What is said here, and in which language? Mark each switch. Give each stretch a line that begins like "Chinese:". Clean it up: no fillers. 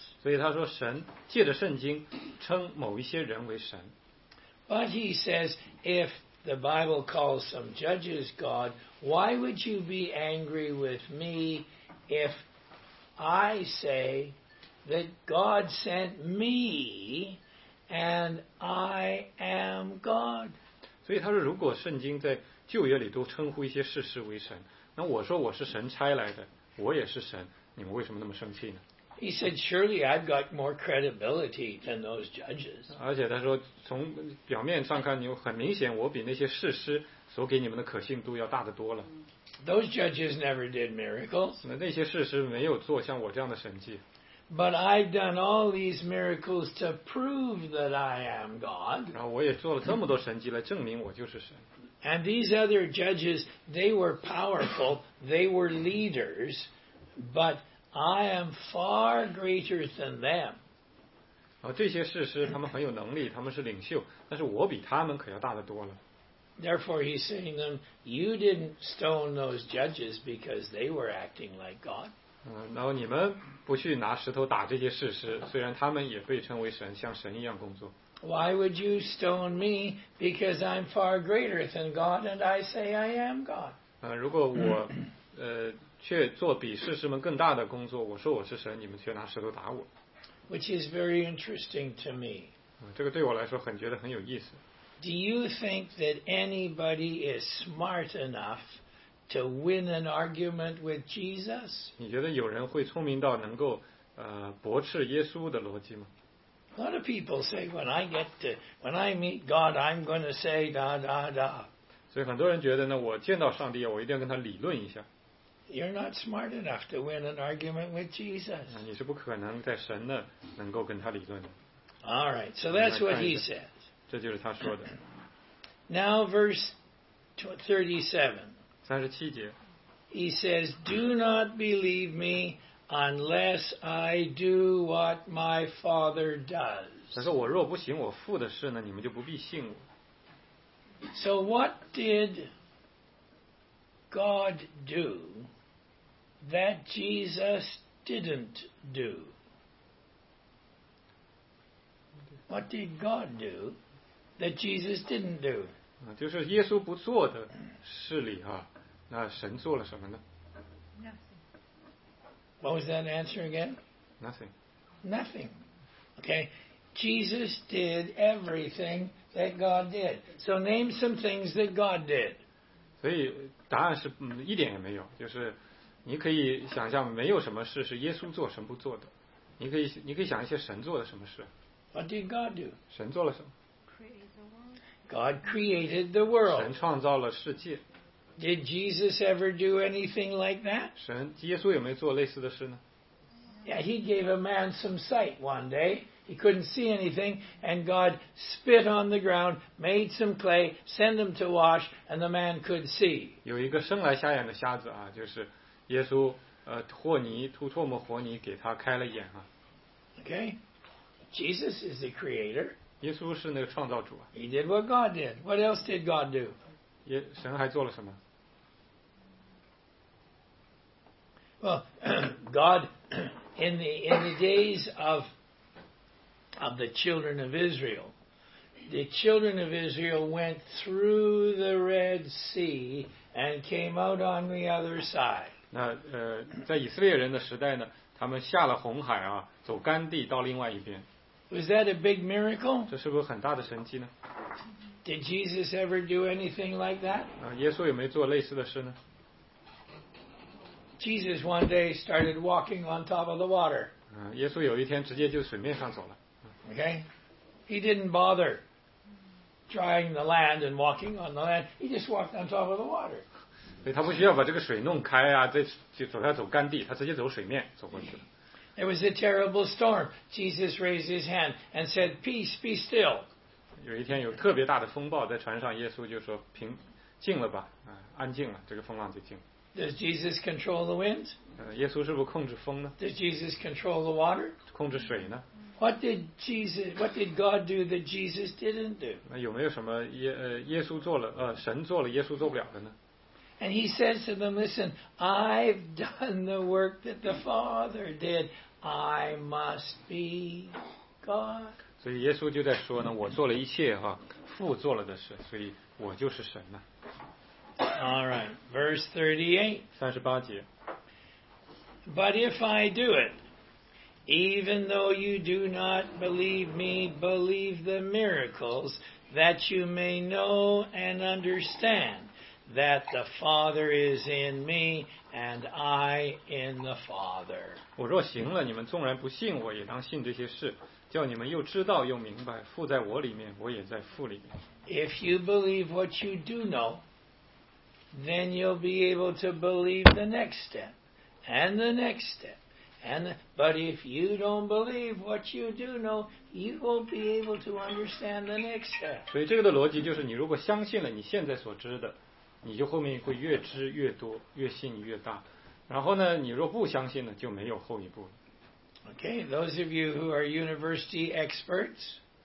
Chinese: 所以他说神借着圣经称某一些人为神。
English: But he says if the Bible calls some judges God, why would you be angry with me if I say that God sent me and I am God?
Chinese: 所以他说如果圣经在旧约里都称呼一些事实为神，那我说我是神差来的。我也是神，你们为什么那么生气呢
English: ？He said, "Surely I've got more credibility than those judges."
Chinese: 而且他说，从表面上看，你很明显，我比那些士师所给你们的可信度要大得多了。
English: Those judges never did miracles.
Chinese: 那些士师没有做像我这样的神迹。
English: But I've done all these miracles to prove that I am God.
Chinese: 然后我也做了这么多神迹来证明我就是神。
English: And these other judges, they were powerful, they were leaders, but I am far greater than them.
Chinese: 这些士师他们很有能力，他们是领袖，但是我比他们可要大得多了。
English: Therefore, he's saying to them, "You didn't stone those judges because they were acting like God."
Chinese: 然后你们不去拿石头打这些士师，虽然他们也被称为神，像神一样工作。
English: Why would you stone me? Because I'm far greater than God, and I say I am God.
Chinese: 如果我却做比士师们更大的工作，我说我是神，你们却拿石头打我。
English: Which is very interesting to me.
Chinese: 这个对我来说很觉得很有意思。
English: Do you think that anybody is smart enough to win an argument with Jesus?
Chinese: 你觉得有人会聪明到能够驳斥耶稣的逻辑吗？
English: A lot of people say, when I meet God, I'm going to say da da da.
Chinese: 所以很多人觉得呢，我见到上帝，我一定要跟他理论一下。
English: You're not smart enough to win an argument with Jesus.
Chinese: 你是不可能在神那能够跟他理论的。
English: All right, so that's what he says.
Chinese: 这就是他说的。
English: Now, verse 37.
Chinese: 37节。
English: He says, "Do not believe me." Unless I do what my father does.
Chinese: 他说我若不行我父的事呢，你们就不必信我。
English: So what did God do that Jesus didn't do? What did God do that Jesus didn't do?
Chinese: 就是耶稣不做的事里啊，那神做了什么呢？
English: What was that answer again? Nothing. Nothing. Okay. Jesus did everything that God did. So name some things that God did.
Chinese: 所以答案是一点也没有，就是你可以想象没有什么事是耶稣做神不做的，你可以想一些神做的什么事。
English: What did God do?
Chinese: 神做了什么？
English: God created the world.
Chinese: 神创造了世界。
English: Did Jesus ever do anything like that?
Chinese: 神耶稣有没有做类似的事呢？
English: Yeah, he gave a man some sight one day. He couldn't see anything, and God spit on the ground, made some clay, sent him to wash, and the man could see.
Chinese: 有一个生来瞎眼的瞎子啊，就是耶稣和泥吐唾沫和泥给他开了眼啊。
English: Okay, Jesus is the creator.
Chinese: 耶稣是那个创造主啊。
English: He did what God did. What else did God do?
Chinese: 神还做了什么？
English: Well, God in the days of the children of Israel, the children of Israel went through the Red Sea and came out on the other side.
Chinese: 那在以色列人的时代呢，他们下了红海啊，走干地到另外一边。
English: Was that a big miracle?
Chinese: 这是不是很大的神迹呢？
English: Did Jesus ever do anything like that?
Chinese: 耶稣有没有做类似的事呢？
English: Jesus one day started walking on top of the water.
Chinese: 耶稣有一天直接就水面上走了。
English: Okay, he didn't bother drying the land and walking on the land. He just walked on top of the water.
Chinese: 所以他不需要把这个水弄开啊，再就走下走干地，他直接走水面走过去了。
English: There was a terrible storm. Jesus raised his hand and said, "Peace, be still."
Chinese: 有一天有特别大的风暴在船上，耶稣就说平静了吧，安静了，这个风浪就静。
English: Does Jesus control the winds?
Chinese: 耶稣是不是控制风呢？
English: Does Jesus control the water?
Chinese: 控制水呢？
English: What did God do that Jesus didn't do?
Chinese: 那有没有什么耶稣做了神做了耶稣做不了的呢？
English: And he says to them, "Listen, I've done the work that the Father did. I must be God."
Chinese: 所以耶稣就在说呢，我做了一切哈，父做了的事，所以我就是神呐。
English: All right, verse 38.
Chinese: 三十八节。
English: But if I do it. Even though you do not believe me, believe the miracles that you may know and understand that the Father is in me and I in the Father.
Chinese: 我若行了，你们纵然不信我，也当信这些事，叫你们又知道又明白，父在我里面，我也在父里面。
English: If you believe what you do know, then you'll be able to believe the next step and the next step. But if you don't believe what you do know, you won't be able to understand the next step.
Chinese: 所以这个的逻辑就是，你如果相信了你现在所知的，你就后面会越知越多，越信越大。然后呢，你若不相信了，就没有后一步了。
English: Okay, those of you who are university experts.